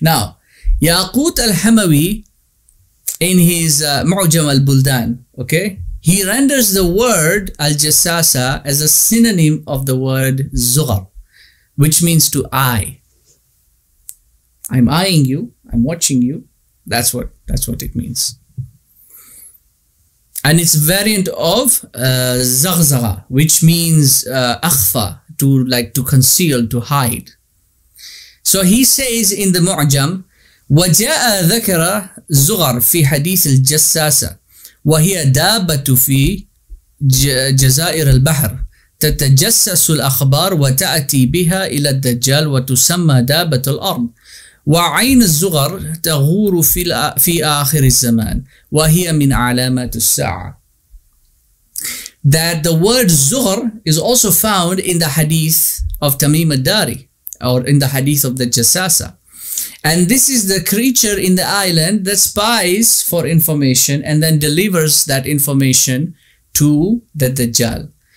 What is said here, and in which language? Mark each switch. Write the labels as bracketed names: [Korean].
[English] Now, Yaqut al-Hamawi in his Mu'jam al-Buldan, okay, he renders the word al-Jassasa as a synonym of the word Zughar, which means to eye. I'm eyeing you, I'm watching you, that's what it means. And it's variant of zaghzagha, which means akhfa, to conceal, to hide. So he says in the Mu'jam, [Arabic] وَجَاءَ ذَكَرَ زُغَرْ فِي حَدِيثِ الْجَسَّاسَةِ وَهِيَ دَابَةُ فِي جَزَائِرِ الْبَحْرِ تَتَجَسَّسُ الْأَخْبَارُ وَتَأْتِي بِهَا إِلَى الدَّجَّالِ وَتُسَمَّى دَابَةُ الْأَرْضِ وعين الزغر تغور في آخر الزمان وهي من علامات الساعة. [English] That the word zughr is also found in the hadith of Tamim ad-Dari or in the hadith of the Jassasa. And this is the creature in the island that spies for information and then delivers that information to the Dajjal.